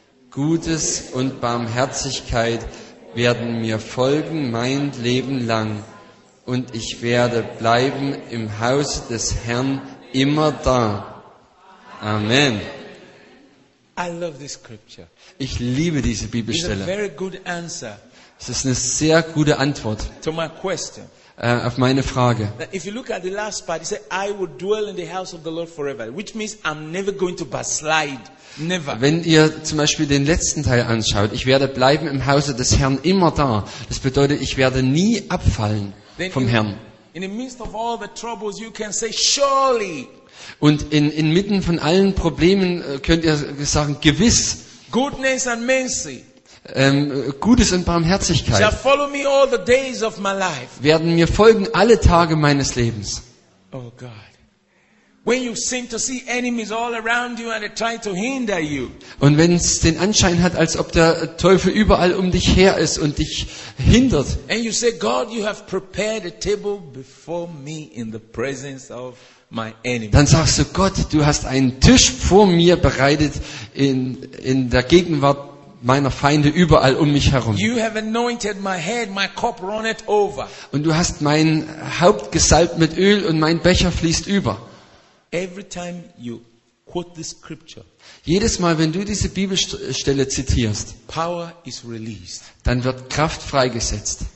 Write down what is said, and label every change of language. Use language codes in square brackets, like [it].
[de] Gutes und Barmherzigkeit werden mir folgen mein Leben lang, und ich werde bleiben im Hause des Herrn immer da. Amen. [en] I love this scripture. [de] Ich liebe diese Bibelstelle. [en] It's a very good answer. [de] Es ist eine sehr gute Antwort [en] to my question. [de] Auf meine Frage. [en] If you look at the last part, he said, I will dwell in the house of the Lord forever, which means I'm never going to backslide. Never. [de] Wenn ihr zum Beispiel den letzten Teil anschaut, ich werde bleiben im Hause des Herrn immer da. Das bedeutet, ich werde nie abfallen vom Herrn. [en] In the midst of all the troubles, you can say, surely. [de] Und inmitten von allen Problemen könnt ihr sagen, gewiss. [en] Goodness and mercy. [de] Gutes und Barmherzigkeit [en] shall follow me all the days of my life. [de] Werden mir folgen alle Tage meines Lebens. [en] Oh God. When you seem to see enemies all around you and they try to hinder you. [de] Und wenn es den Anschein hat, als ob der Teufel überall um dich her ist und dich hindert. [en] And you say, God, you have prepared a table before me in the presence of my enemy. [de] Dann sagst du, Gott, du hast einen Tisch vor mir bereitet in der Gegenwart meiner Feinde überall um mich herum. [en] You have anointed my head, my cup runneth over. [de] Und du hast mein Haupt gesalbt mit Öl und mein Becher fließt über. [en] Every time you quote the scripture, [de] jedes Mal, wenn du diese Bibelstelle zitierst, [en] power is released. [de] Dann wird Kraft freigesetzt.